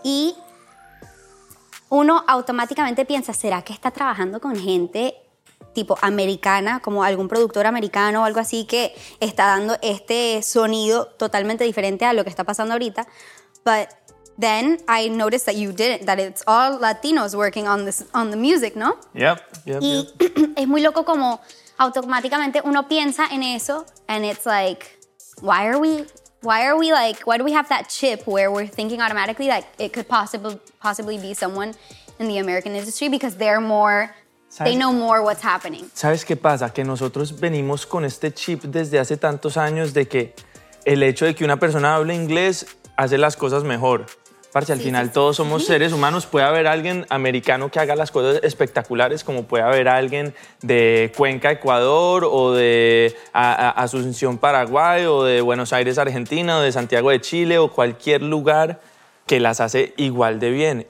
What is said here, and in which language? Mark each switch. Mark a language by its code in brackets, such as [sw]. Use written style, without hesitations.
[es] Y uno automáticamente piensa, ¿será que está trabajando con gente tipo americana, como algún productor americano o algo así que está dando este sonido totalmente diferente a lo que está pasando ahorita? [en] But then I noticed that you didn't, that it's all Latinos working on this, on the music, [es] ¿no? [en] Yep. [es] Y es muy loco como automáticamente uno piensa en eso [en] and it's like, why do we have that chip where we're thinking automatically like it could possibly be someone in the American industry because they're more, they know more what's happening. [es] ¿Sabes qué pasa? Que nosotros venimos con este chip desde hace tantos años de que el hecho de que una persona hable inglés hace las cosas mejor. Parce, al final todos somos seres humanos. Puede haber alguien americano que haga las cosas espectaculares, como puede haber alguien de Cuenca, Ecuador, o de Asunción, Paraguay, o de Buenos Aires, Argentina, o de Santiago de Chile, o cualquier lugar que las hace igual de bien.